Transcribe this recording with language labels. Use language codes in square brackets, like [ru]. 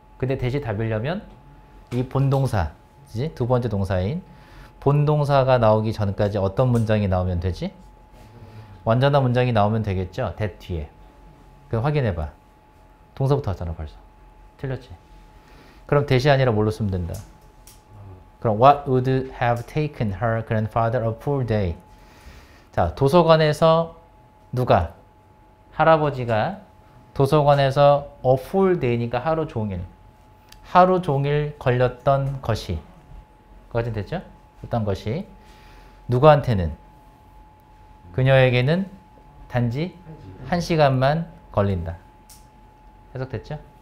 [ko] 근데 대시 답이려면 이 본동사, 그치? 두 번째 동사인 본동사가 나오기 전까지 어떤 문장이 나오면 되지? 완전한 문장이 나오면 되겠죠? 대 뒤에. 그럼 확인해봐. 동사부터 왔잖아 벌써. 틀렸지? 그럼 대시 아니라 뭘로 쓰면 된다? 그럼 [en] What would have taken her grandfather a full day? [ko] 자, 도서관에서 누가? 할아버지가 도서관에서 a full day니까 하루 종일. 하루 종일 걸렸던 것이. 그거까지 됐죠? 어떤 것이. 누구한테는? 그녀에게는 단지 한 시간만 걸린다. 해석됐죠?